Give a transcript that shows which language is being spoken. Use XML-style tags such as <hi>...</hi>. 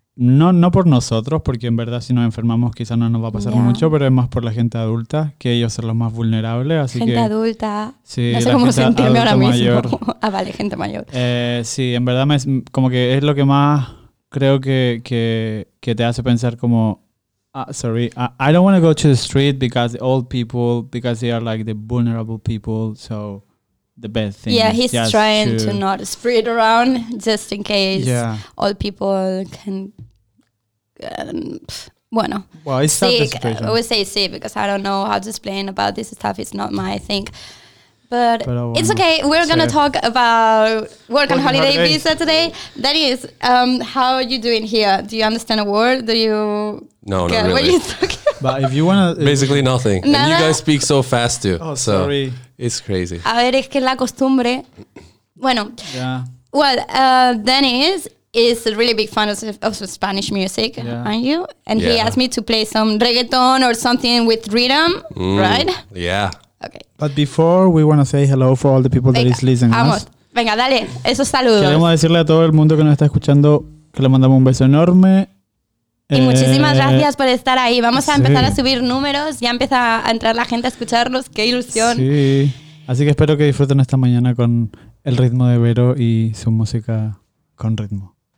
<es>No por nosotros, porque en verdad si nos enfermamos quizás no nos va a pasar mucho, pero es más por la gente adulta, que ellos son los más vulnerables. Así gente que, adulta. Sí, no sé cómo sentirme ahora mayor. Mismo. Ah, vale, gente mayor. Sí, en verdad como que es lo que más creo que te hace pensar como...</es> <en>I don't want to go to the street because they are like the vulnerable people. So the best thing. Yeah, is he's trying to not spread around just in case old people can.</en> <es>Bueno.</es> <en>Well, it's sick. I would say sick because I don't know how to explain about this stuff. It's not my thing. But</en> <es>bueno,</es> <en>it's okay. We're going to talk about work and holiday visa today. That is, how are you doing here? Do you understand a word? Do you. No, get not really. What are you talking about? But if you want to. Basically nothing.</en> <es>Nada.</es> <en>And you guys speak so fast too. Oh, sorry. So it's crazy.</en> <es>A ver, es que la costumbre. Bueno.</es> <en>Yeah. Well, Dennis is a really big fan of Spanish music, aren't you? And he asked me to play some reggaeton or something with rhythm, right? Yeah. Okay. But before, we want to say hello for all the people that is listening.</en> <es>Vamos. Venga, dale. Esos saludos. Queremos decirle a todo el mundo que nos está escuchando que le mandamos un beso enorme. Y muchísimas gracias por estar ahí. Vamos a empezar a subir números. Ya empieza a entrar la gente a escucharnos. ¡Qué ilusión! Sí. Así que espero que disfruten esta mañana con el ritmo de Vero y su música con ritmo.</es>